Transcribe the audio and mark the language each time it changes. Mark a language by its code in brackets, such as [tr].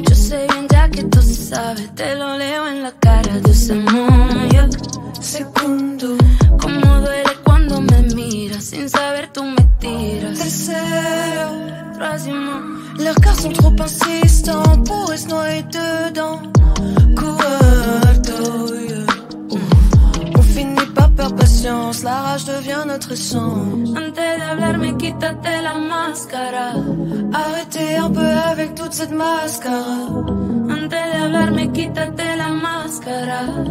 [es] Yo sé bien ya que todo se sabe. Te lo leo en la cara de ese mon, yeah. Segundo, cómo duele cuando me miras. Sin saber tú me tiras. [fr] Tercero, troisièmement. Leurs cartes sont trop insistants pour se noyer dedans. [es] Cuarto, yeah. [fr] On finit par perdre patience, la rage devient notre essence. [es] Antes de hablarme, quítate la máscara. [fr] Arrêtez un peu avec toute cette mascara. [es] Antes de hablarme, quítate la máscara.